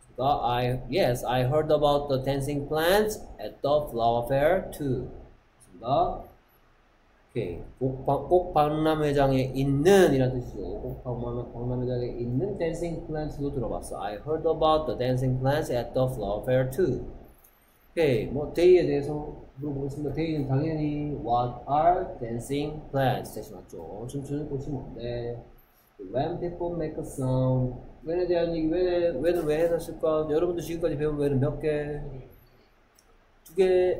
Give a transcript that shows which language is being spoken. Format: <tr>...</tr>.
<ko>그러니까</ko> <en>I heard about the dancing plants at the flower fair too.</en> <ko>그러니까 오케이. 꼭 박람회장에 있는이라는 뜻이죠. 꼭 박람회장에 있는 dancing plants도 들어봤어.</ko> <en>I heard about the dancing plants at the flower fair too.</en> <ko>오케이. 뭐 데이에 대해서 물어보겠습니다. 데이는 당연히</ko> <en>What are dancing plants?</en> <ko>대신 맞죠. 춤추는 꽃이 뭔데?</ko> <en>When people make a sound.</en> <ko>왜에 대한 얘기 왜는 왜 해놨을까? 여러분들 지금까지 배운 왜는 몇 개? 두 개.</ko>